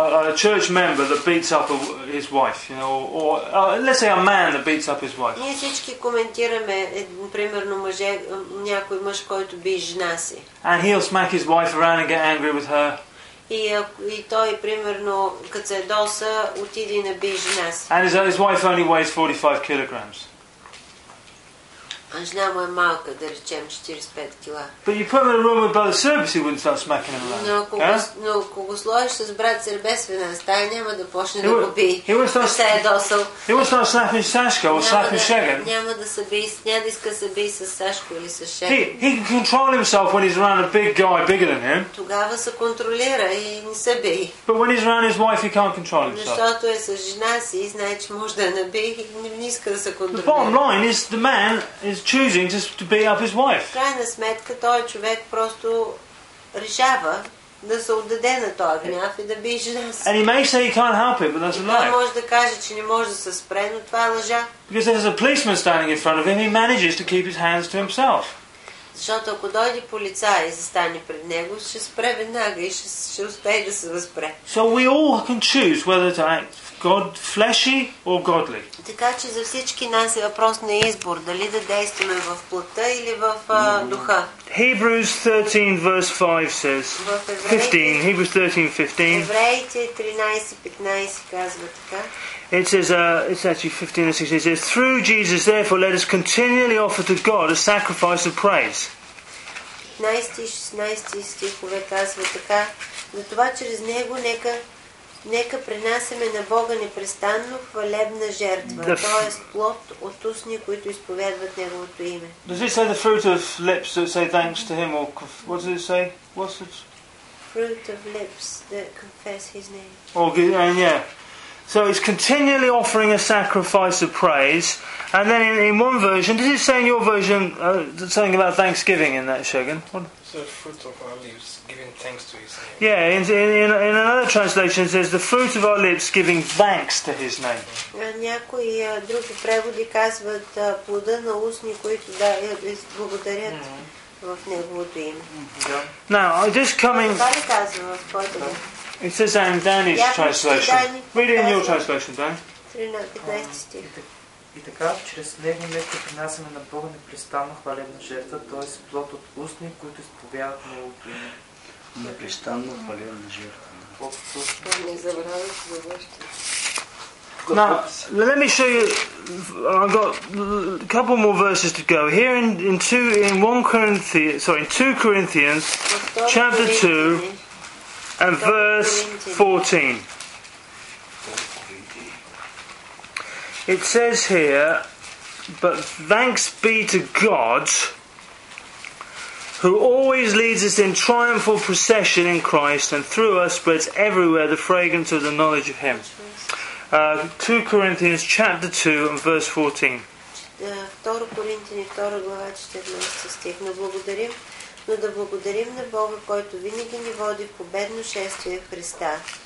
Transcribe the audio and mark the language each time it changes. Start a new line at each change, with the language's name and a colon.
English: A church member that beats up his wife, you know, or let's say a man that beats up his wife.
Bulgarian: Ние всички коментираме, примерно мъже, някой мъж, който би жена си.
English: And he'll smack his wife around and get angry with her.
Bulgarian: И той, примерно, като се доса, отиде на би жена си.
English: And his wife only weighs 45 kilograms.
Bulgarian: А жена му е малка, да речем 45 кила.
English: But you put him in a room with Brother Serbis, he wouldn't start smacking him around.
Bulgarian: Но ако го сложиш с брат Сербес в една стая, няма да почне да го би.
English: He would start slapping Сашка or slapping Шега.
Bulgarian: Няма да се бие, няма да иска се бие с Сашко или с Шега.
English: He can control himself when he's around a big guy bigger than him.
Bulgarian: Тогава се контролира и не се бие.
English: But when he's around his wife, he can't control himself.
Bulgarian: Защото е с жена си, знае, че може да не бие и не иска да се контролира.
English: The bottom line is the man is choosing just to beat up his wife.
Bulgarian: Крайна сметка, той човек просто решава да се отдаде на този гняв и да би жена си.
English: And he may say he can't help it, but that's a lie.
Bulgarian: Той може да каже, че не може да се спре, но това е лъжа.
English: Because there's a policeman standing in front of him, he manages to keep his hands to himself.
Bulgarian: Защото ако дойде полицай и застане пред него, ще спре веднага и ще успее да се възпре.
English: So we all can choose whether to act God, fleshy or godly.
Bulgarian: Така че за всички нас е въпрос на избор, дали да действаме в плътта или в духа.
English: Hebrews 13 verse 5 says. Hebrews
Bulgarian: 13:15. Казва така.
English: It says, it's actually 15 or 16. It says, through Jesus, therefore, let us continually offer to God a sacrifice of praise.
Bulgarian: 15-16 стихове казва така. За това чрез него нека нека пренасеме на Бога непрестанно хвалебна жертва, т.е. плод от устни, които изповядват Неговото име.
English: Does it say the fruit of lips that say thanks to Him, or what does it say? What's it? Fruit of lips that confess His name. Oh, and yeah. So it's continually offering a sacrifice of praise, and then in one version, does it say in your version something about thanksgiving in that, Shogun? The fruit of our lips giving thanks to His name. Yeah, in another translation says the fruit of our lips giving thanks to His name.
Bulgarian: Някои други преводи казват плода на устни, които да благодарят в Неговото име.
English: Now, just coming.
Bulgarian: Това ли казва в твоето?
English: It says that in Danny's translation. Read it in your translation, Dan.
Bulgarian: 13 стих. И така, чрез него нека принасяме на Бога непрестанно хвалебна жертва, т.е. плод от устни, които изповядват Неговото име. Непрестанно хвалебна жертва. Не забравяйте за вашето.
English: Now, let me show you, I've got a couple more verses to go. Here in 2 Corinthians, chapter 2, and verse 14. It says here, but thanks be to God, who always leads us in triumphal procession in Christ, and through us spreads everywhere the fragrance of the knowledge of Him. 2 Corinthians chapter 2 and verse 14.
Bulgarian: 2 Corinthians 2 глава 14 стих. Но да благодарим на Бога, който винаги ни води в победно шествие в Христа.